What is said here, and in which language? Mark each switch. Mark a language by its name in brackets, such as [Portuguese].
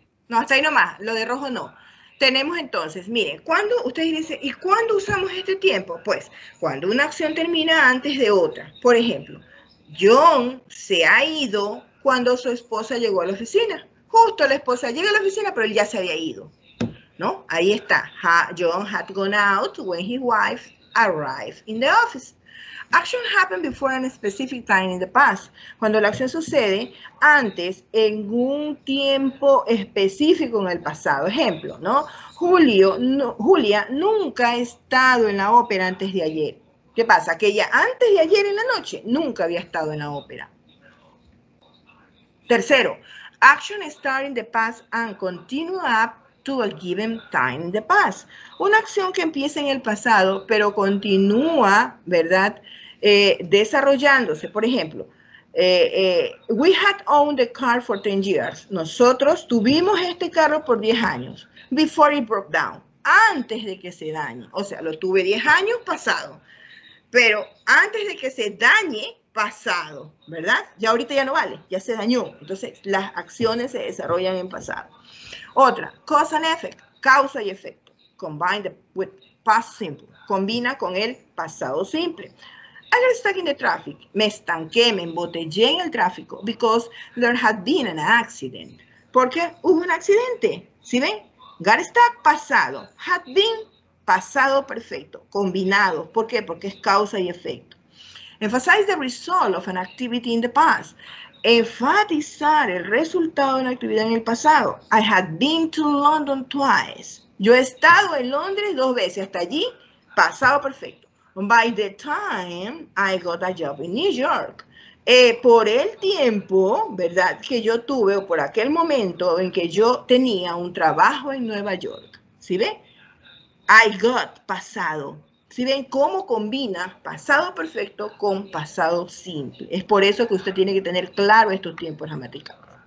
[Spanish] No, hasta ahí nomás, lo de rojo no. Tenemos entonces, miren, cuando ustedes dicen, ¿y cuándo usamos este tiempo? Pues cuando una acción termina antes de otra. Por ejemplo, John se ha ido cuando su esposa llegó a la oficina. Justo la esposa llega a la oficina, pero él ya se había ido. ¿No? Ahí está. [English] John had gone out when his wife arrived in the office. Action happened before a specific time in the past. [Spanish] Cuando la acción sucede antes, en un tiempo específico en el pasado. Ejemplo, ¿no? Julia nunca ha estado en la ópera antes de ayer. ¿Qué pasa? Que ella antes de ayer en la noche nunca había estado en la ópera. Tercero, [English] action start in the past and continue up to a given time in the past. [Spanish] Una acción que empieza en el pasado, pero continúa, ¿verdad?, desarrollándose. Por ejemplo, [English] we had owned the car for 10 years. [Spanish] Nosotros tuvimos este carro por 10 años, [English] before it broke down, [Spanish] antes de que se dañe. O sea, lo tuve 10 años pasado, pero antes de que se dañe, pasado, ¿verdad? Ya ahorita ya no vale, ya se dañó. Entonces, las acciones se desarrollan en pasado. Otra, [English] cause and effect, [Spanish] causa y efecto, [English] combined with past simple, [Spanish] combina con el pasado simple. [English] I got stuck in the traffic, [Spanish] me estanqué, me embotellé en el tráfico, [English] because there had been an accident. [Spanish] Porque hubo un accidente, ¿sí ven? Got stuck, pasado, had been, pasado perfecto, combinado. ¿Por qué? Porque es causa y efecto. [English] Emphasize the result of an activity in the past. [Spanish] Enfatizar el resultado de una actividad en el pasado. [English] I had been to London twice. [Spanish] Yo he estado en Londres 2 veces. Hasta allí, pasado perfecto. [English] By the time I got a job in New York. [Spanish] Por el tiempo, ¿verdad?, que yo tuve, o por aquel momento en que yo tenía un trabajo en Nueva York. ¿Sí ve? I got pasado. Si ven cómo combina pasado perfecto con pasado simple. Es por eso que usted tiene que tener claro estos tiempos gramaticales.